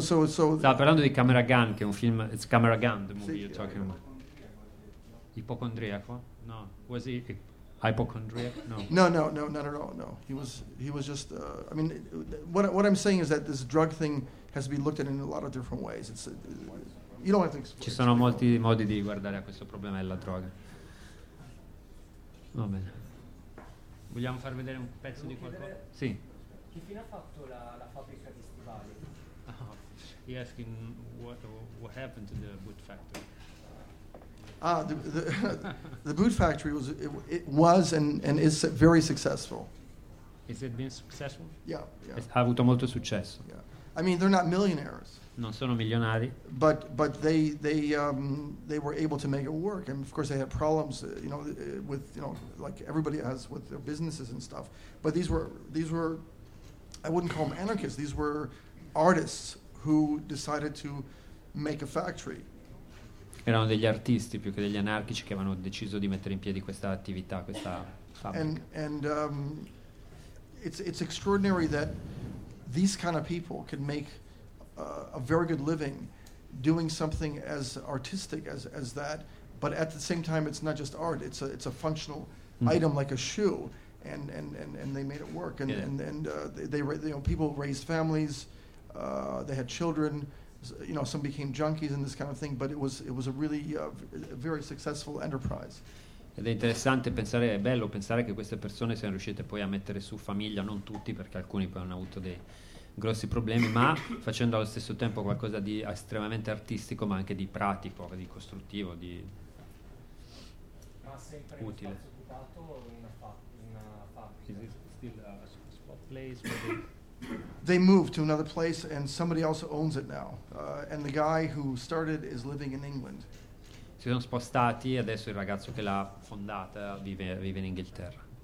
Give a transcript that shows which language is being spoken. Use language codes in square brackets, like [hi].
[it] Stava parlando di Camera Gun, che è un film... [en] It's Camera Gun, the movie you're talking about. [it] Ipocondriaco? [en] No. Was he... Hypochondriac? No, not at all. No, he was just. I mean, what I'm saying is that this drug thing has to be looked at in a lot of different ways. It's you don't have to. [it] Ci sono molti modi di guardare a questo problema della droga. Va bene. Vogliamo far vedere un pezzo di qualcosa? Sì. Che fine ha fatto la fabbrica di stivali? [en] He's asking what happened to the boot factory. Ah, the boot factory was and is very successful. Is it been successful? Yeah. [it] Ha avuto molto successo. [en] Yeah. I mean, they're not millionaires. [it] Non sono milionari. [en] But they were able to make it work, and of course they had problems, you know, with, you know, like everybody has with their businesses and stuff. But these were, I wouldn't call them anarchists. These were artists who decided to make a factory. [it] Erano degli artisti più che degli anarchici che avevano deciso di mettere in piedi questa attività, questa fabbrica. [en] And it's extraordinary that these kind of people can make a very good living doing something as artistic as that, but at the same time it's not just art, it's a functional item like a shoe, and they made it work, and they people raised families, they had children. You know, some became junkies and this kind of thing, but it was a really very successful enterprise. [it] Ed è interessante pensare, è bello pensare che queste persone siano riuscite poi a mettere su famiglia, non tutti, perché alcuni poi hanno avuto dei grossi problemi, ma facendo allo stesso tempo qualcosa di estremamente artistico, ma anche di pratico, di costruttivo, di ma sempre utile. Spazio occupato in una fabbrica. [en] Is it still a spot place for the they move to another place, and somebody else owns it now. And the guy who started is living in England. [it] Si sono spostati, adesso il ragazzo che l'ha fondata vive in Inghilterra.